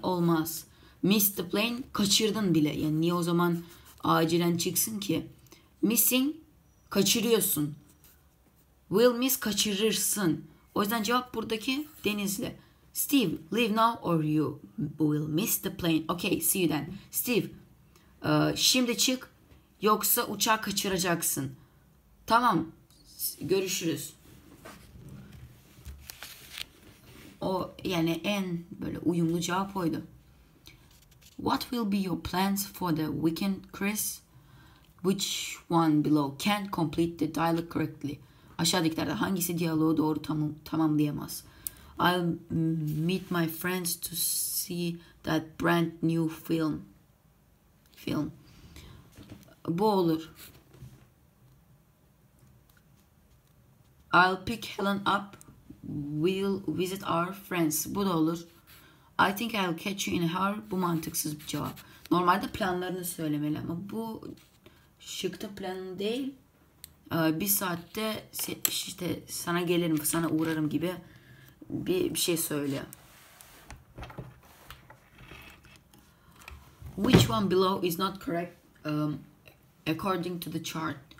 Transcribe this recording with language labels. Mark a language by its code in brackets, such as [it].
[tr] Olmaz. [en] Miss the plane, [tr] kaçırdın bile. Yani niye o zaman acilen çıksın ki? [en] Missing, [tr] kaçırıyorsun. [en] Will miss, [tr] kaçırırsın. O yüzden cevap buradaki Denizli. [en] Steve, leave now or you will miss the plane. Okay, see you then. [tr] Steve, şimdi çık yoksa uçağı kaçıracaksın. Tamam, görüşürüz. O yani en böyle uyumlu cevap oydu. [en] What will be your plans for the weekend, Chris? Which one below can't complete the dialogue correctly? [tr] Aşağıdakilerden hangisi diyaloğu doğru tamamlayamaz? [en] I'll meet my friends to see that brand new film. [tr] Film. Bu olur. [en] I'll pick Helen up. We'll visit our friends. [tr] Bu da olur. [en] I think I'll catch you in her. [tr] Bu mantıksız bir cevap. Normalde planlarını söylemeli ama bu şıkta plan değil. Bir saatte işte sana gelirim, sana uğrarım gibi bir şey söylüyor. [en] Which one below is not correct according to the chart?